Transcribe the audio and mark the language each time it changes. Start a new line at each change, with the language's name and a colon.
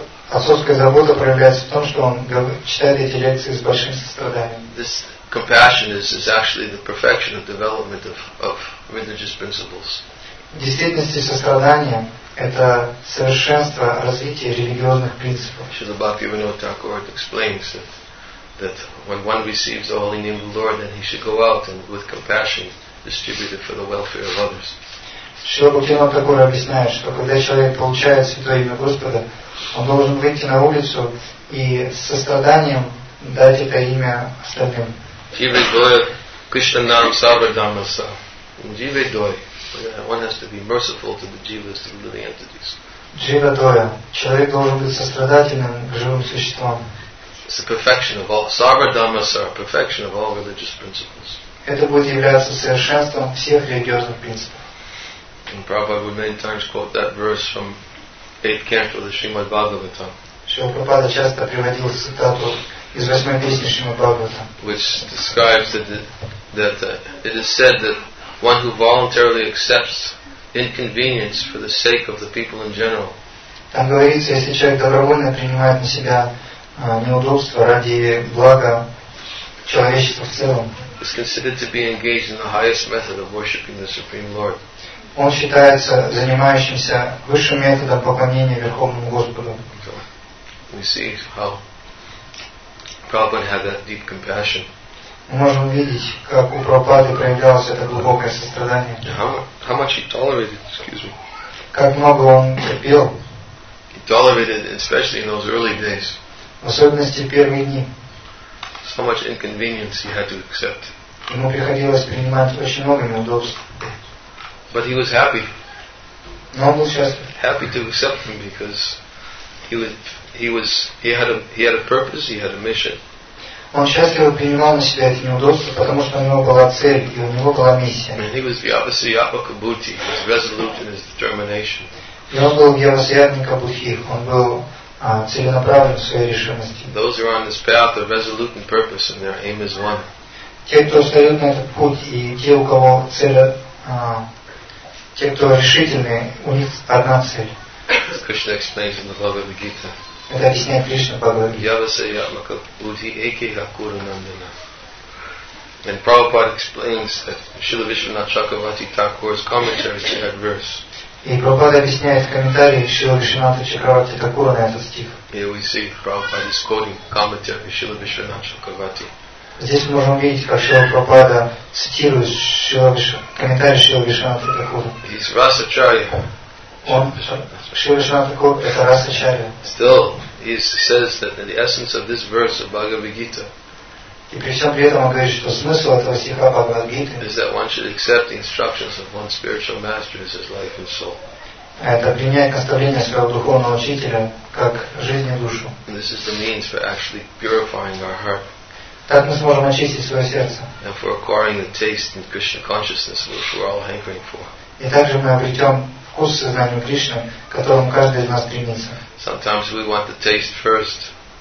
Russian: Отцовская забота проявляется в том, что он читает эти лекции с большим состраданием.
English: This compassion is actually the perfection of development of religious principles.
Russian: В действительности сострадание — это совершенство развития религиозных принципов.
English: Srila Bhaktivinoda Thakur explains that when one receives the holy name of the Lord, then he should go out and with compassion distribute it for the welfare of others.
Russian: Шрила Бхактивинода Тхакура объясняет, что когда человек получает святое имя Господа, он должен выйти на улицу и с состраданием дать это имя остальным. Дивей дой, Кришнанам Сабрадамаса. Дивей дой.
English: One has to be merciful to the jivas, to the living entities. Дивей дой.
Russian: Человек должен быть сострадательным к живым существам.
English: It's the perfection of all Сабрадамаса, perfection of all religious principles.
Russian: Это будет являться совершенством всех религиозных принципов.
English: And Prabhupada would many times quote that verse from 8th canto of the Srimad Bhagavatam.
Russian: Srila Prabhupada часто приводил цитату из 8-й песни Srimad Bhagavatam.
English: Which describes that it is said that one who voluntarily accepts inconvenience for the sake of the people in general.
Russian: Там говорится, если человек добровольно принимает на себя неудобства ради блага человечества в целом,
English: is considered to be engaged in the highest method of worshipping the Supreme Lord.
Russian: Он считается занимающимся высшим методом поклонения Верховному Господу.
English: We see how Prabhupada had that deep compassion.
Russian: Мы можем видеть, как у Прабхупады проявлялось это глубокое сострадание.
English: How much he tolerated, excuse me.
Russian: Как много он терпел.
English: He tolerated, especially in those early days.
Russian: В особенности в первые дни.
English: So much inconvenience he had to accept.
Russian: Ему приходилось принимать очень много неудобств.
English: But he was happy.
Russian: Но он был счастлив.
English: Happy to accept him because he had a purpose, he had a mission.
Russian: Он счастливо принимал на себя эти неудобства, потому что у него была цель и у него была миссия.
English: And he was Vyavasayatma Kabuti. He was resolute in his determination.
Russian: И он был Vyavasayatma Kabuti. Он был целенаправлен в своей решимости.
English: Those who are on this path are resolute in purpose and their aim is one.
Russian: те, кто встает на этот путь, и те, у кого цель, те, кто решительные, у них одна цель.
English: Krishna explains in the Bhagavad Gita.
Russian: Это объясняет Кришна в Бхагавад Гите. Yavasayama ka buddhi eke hakura nandana.
English: And Prabhupada explains that Śrīla Viśvanātha Chakravarti Thakura's commentary to that verse.
Russian: И Прабхупада объясняет в комментарии Шрила Вишванатха Чакраварти Такура на этот стих.
English: Here we see Prabhupada is quoting commentary Шрила Вишванатха Чакраварти.
Russian: Здесь мы можем видеть, как Шрила Прабхупада цитирует комментарий Шрила Вишванатха Такура.
English: He's Расачарья.
Russian: Шрила Вишванатха Такура это Расачарья.
English: Still, he says that the essence of this verse of Bhagavad Gita.
Russian: И при всем при этом он говорит, что смысл этого стиха Бхагавад Гиты
English: is that one should accept the instructions of one's spiritual master as his life and soul.
Russian: Это принять наставления своего духовного учителя как жизнь и душу.
English: And this is the means for actually purifying our heart.
Russian: Так мы сможем очистить свое сердце.
English: And for acquiring the taste in Krishna consciousness which we're all hankering for.
Russian: И также мы обретем вкус сознания Кришны, к которому каждый из нас стремится.
English: Sometimes we want the taste first.